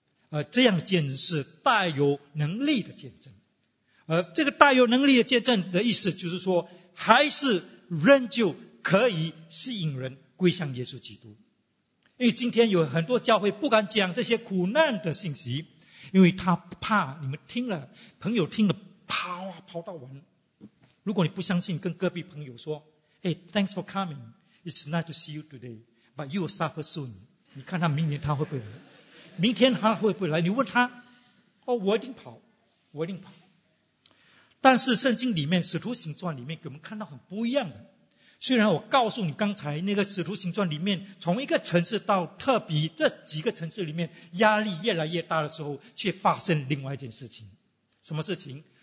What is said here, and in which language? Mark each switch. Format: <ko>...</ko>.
<zh>而这样的见证是带有能力的见证，而这个带有能力的见证的意思就是说，还是仍旧可以吸引人归向耶稣基督。因为今天有很多教会不敢讲这些苦难的信息，因为他怕你们听了，朋友听了跑啊跑到完。如果你不相信，跟隔壁朋友说：“</zh> <en>Thanks for coming. It's nice to see you today, but you will suffer soon.</en> <zh>你看他明年他会不会来，明天他会不会来，你问他，哦，我一定跑，我一定跑。但是圣经里面使徒行传里面给我们看到很不一样的，虽然我告诉你刚才那个使徒行传里面从一个城市到特比这几个城市里面压力越来越大的时候，却发生另外一件事情。什么事情？</zh>